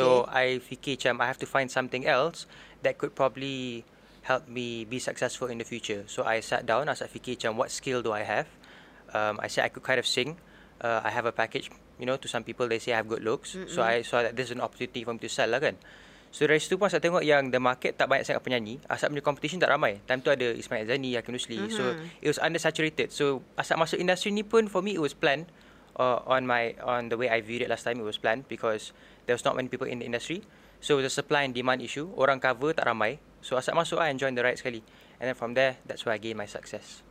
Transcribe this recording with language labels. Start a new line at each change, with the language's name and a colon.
English: So, I
Malay: fikir macam
English: I have to find something else that could probably help me be successful in the future. So, I sat down,
Malay: Asad fikir macam
English: what skill do I have? I said I could kind of sing. I have a package, you know, to some people they say I have good looks. So, I saw that this is an opportunity for me to sell lah kan.
Malay: So dari situ pun Asad tengok yang
English: the market
Malay: tak banyak sangat penyanyi. Asad punya competition tak ramai. Time tu ada Ismail Zani, Hakim Nusli.
English: So it was undersaturated. So
Malay: Asad masuk industri ni pun
English: for me it was planned. On the way I viewed it last time, it was planned because there was not many people in the industry. So it was a supply and demand issue.
Malay: Orang cover tak ramai.
English: So
Malay: Asad masuk
English: and join the ride
Malay: sekali.
English: And then from there, that's where I gained my success.